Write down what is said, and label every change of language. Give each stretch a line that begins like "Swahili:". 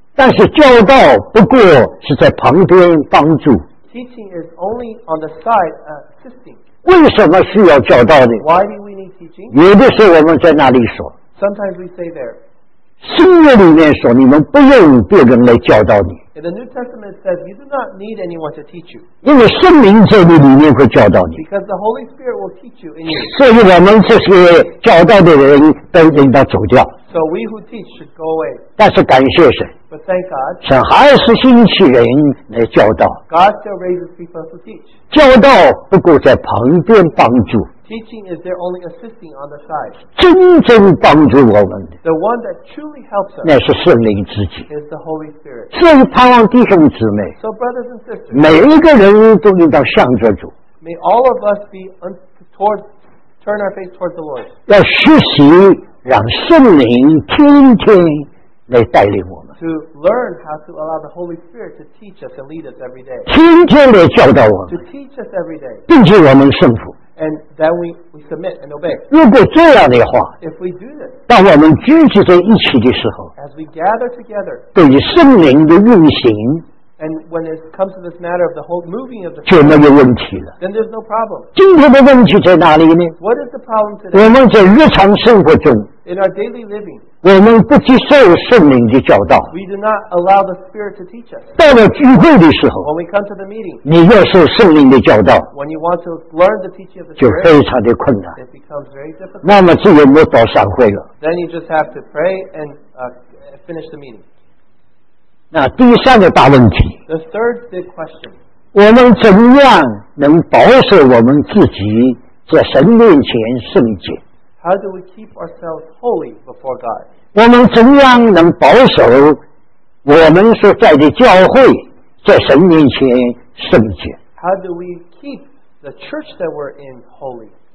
Chinese: 但是教导不过是在旁边帮助。
English: Teaching is only on the side assisting.
Chinese: 为什么需要教导呢？
English: Why do we need teaching?
Chinese: 有的时候我们在那里说。
English: Sometimes we say there.
Chinese: 新约里面说你们不用别人来教导你。
English: In the New Testament it says you do not need anyone to teach you.
Chinese: 因为圣灵在你里面会教导你。
English: Because the Holy Spirit will teach you in you.
Chinese: 所以我们这些教导的人都应当走掉。
English: So we who teach should go away.
Chinese: 但是感谢神。
English: But thank God.
Chinese: 神还是兴起人来教导。
English: God still raises people to teach.
Chinese: 教导不过在旁边帮助。
English: Teaching is there only assisting on the side.
Chinese: 真正帮助我们的。
English: The one that truly helps us.
Chinese: 那是圣灵自己。
English: Is the Holy Spirit.
Chinese: 所以盼望弟兄姊妹。
English: So brothers and sisters.
Chinese: 每一个人都应当向着主。
English: May all of us be towards, turn our face towards the Lord.
Chinese: 要学习让圣灵天天来带领我们。
English: To learn how to allow the Holy Spirit to teach us and lead us every day.
Chinese: 天天来教导我们。
English: To teach us every day.
Chinese: 并且我们顺服。
English: And that we submit and obey.
Chinese: 如果这样的话，
English: if we do this,
Chinese: 当我们聚集在一起的时候，
English: as we gather together,
Chinese: 对于圣灵的运行，
English: and when it comes to this matter of the whole moving of the
Chinese: Spirit, 就没有问题了。
English: Then there's no problem.
Chinese: 今天的问题在哪里呢？
English: What is the problem today?
Chinese: 我们在日常生活中，
English: in our daily living,
Chinese: 我们不接受圣灵的教导。
English: We do not allow the Spirit to teach us.
Chinese: 到了聚会的时候，
English: when we come to the meeting,
Chinese: 你要受圣灵的教导，
English: when you want to learn the teaching of the Spirit,
Chinese: 就非常的困难。
English: It becomes very difficult.
Chinese: 那么只有默祷散会了。
English: Then you just have to pray and finish the meeting.
Chinese: 那第三个大问题，
English: the third big question,
Chinese: 我们怎样能保守我们自己在神面前圣洁？
English: How do we keep ourselves holy before God?
Chinese: 我们怎样能保守我们所在的教会在神面前圣洁？
English: How do we keep the church that we're in holy?